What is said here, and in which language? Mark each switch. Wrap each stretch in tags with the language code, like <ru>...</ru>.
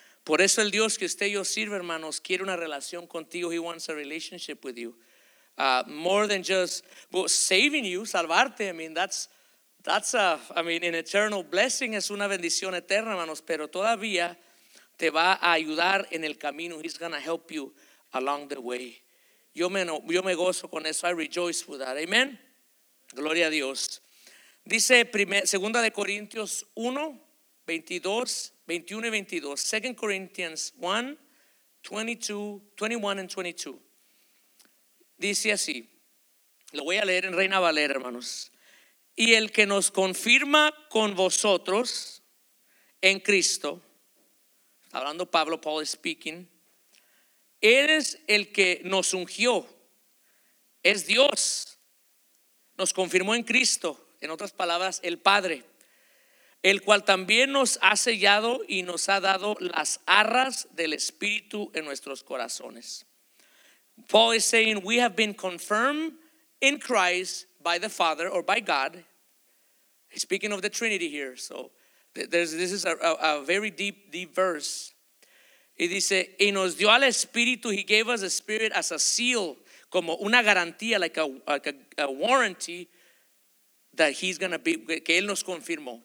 <es>Por eso el Dios que usted y yo sirve, hermanos, quiere una relación contigo.</es> <en>He wants a relationship with you. More than just saving you,</en> <es>salvarte.</es> <en>I mean, that's an eternal blessing.</en> <es>Es una bendición eterna, hermanos. Pero todavía te va a ayudar en el camino.</es> <en>He's going to help you along the way.</en> <es>Yo me gozo con eso.</es> <en>I rejoice with that.</en> <es>Amen. Gloria a Dios. Dice 2 Corintios 1, 22, 21 y 22.</es> <en>2 Corinthians 1, 21 and 22.</en> <es>Dice así, lo voy a leer en Reina Valera, hermanos. Y el que nos confirma con vosotros en Cristo, hablando Pablo,</es> <en>Paul is speaking,</en> <es>eres el que nos ungió, es Dios, nos confirmó en Cristo, en otras palabras, el Padre, el cual también nos ha sellado y nos ha dado las arras del Espíritu en nuestros corazones.</es> <en>Paul is saying we have been confirmed in Christ by the Father or by God. He's speaking of the Trinity here. So this is a very deep verse.</en> <es>Y dice, y nos dio al Espíritu,</es> <en>he gave us the Spirit as a seal,</en> <es>como una garantía,</es> <en>like a warranty that he's going to be,</en> <es>que él nos confirmó.</es>